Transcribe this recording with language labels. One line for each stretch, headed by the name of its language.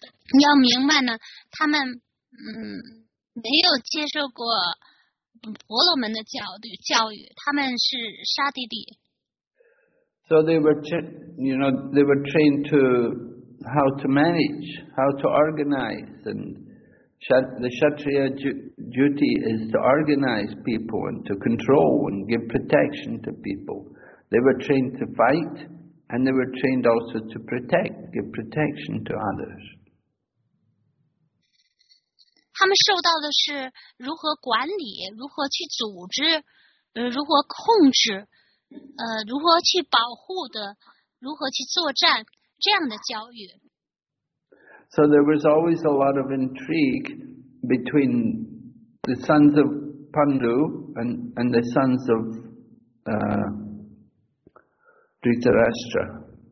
Chinese: 你要明白呢，他们没有接受过婆罗门的教育，他们是沙弟弟。
English: So they were, you know, they were trained to how to manage, how to organize, and the kshatriya duty is to organize people and to control and give protection to people. They were trained to fight, and they were trained also to protect, give protection to others.
Chinese: 他们受到的是如何管理，如何去组织，如何控制，如何去保护的，如何去作战，这样的教育。
English: So there was always a lot of intrigue between the sons of Pandu and the sons of Dhritarashtra.